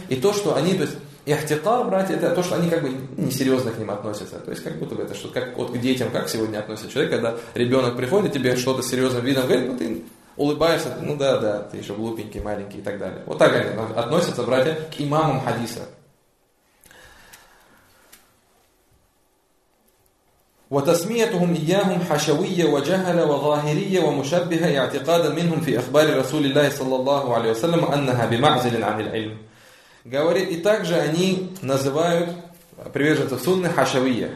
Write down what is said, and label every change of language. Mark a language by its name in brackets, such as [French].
[Russian] И то, что они, то есть ихтикар, братья, это то, что они как бы несерьезно к ним относятся. То есть как будто бы это что-то, как вот к детям, как сегодня относится человек, когда ребенок приходит, тебе что-то с серьезным видом говорит, ну ты улыбаешься, ну да, да, ты еще глупенький, маленький и так далее. Вот так они относятся, братья, к имамам хадиса. [Arabic] وتسميتهم إياهم حشوية وجهلة وظاهرية ومشبهة اعتقادا منهم في أخبار رسول الله صلى الله عليه وسلم أنها بمعزل عن العلم. [Russian] Говорит, и также они называют приверженцев сунны хашавия.